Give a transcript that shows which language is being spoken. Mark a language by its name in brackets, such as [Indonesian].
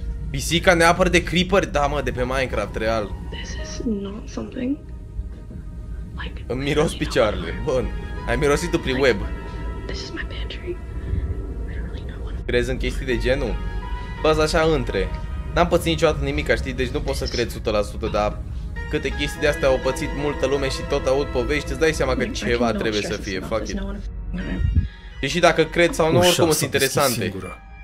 [Romanian] Pisica neapăr de creeper, da, mă, de pe Minecraft, real. [English] This is not something. Like, [Romanian] îmi miros picioarele, bun. Ai mirosit tu prin web. [English] This is my pantry. I don't really know what... [Romanian] Crezi în chestii de genul? Bă-s așa între. N-am pățit niciodată nimica, știi, deci nu pot să cred 100%, dar câte chestii de astea au pățit multă lume și tot aud povești, îți dai seama că ceva trebuie să fie, [English] fuck it. [Romanian] Deși dacă cred sau nu, oricum sunt interesante. Singură.